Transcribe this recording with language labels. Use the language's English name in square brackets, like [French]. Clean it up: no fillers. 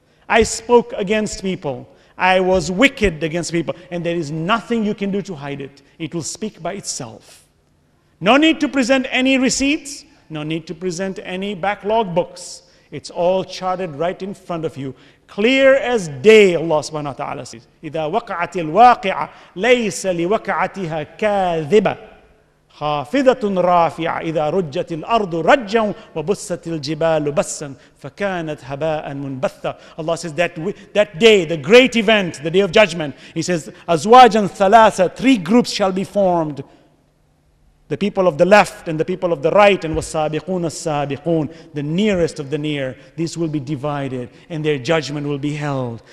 [English] I spoke against people. I was wicked against people. And there is nothing you can do to hide it. It will speak by itself. No need to present any receipts. No need to present any backlog books. It's all charted right in front of you. [Arabic] Clear as day, Allah subhanahu wa ta'ala says, إِذَا وَقَعَتِ الْوَاقِعَ لَيْسَ لِوَقَعَتِهَا كَاذِبَ خَافِذَةٌ رَافِعَ إِذَا رُجَّتِ الْأَرْضُ رَجَّا وَبُسَّتِ الْجِبَالُ بَسًّا فَكَانَتْ هَبَاءً مُنْبَثًا. [English] Allah says that day, the great event, the day of judgment, He says, [Arabic] أَزْوَاجًا ثَلَاثَ, [English] three groups shall be formed. The people of the left and the people of the right, and [Arabic] وَالسَّابِقُونَ السَّابِقُونَ, [English] the nearest of the near, these will be divided and their judgment will be held.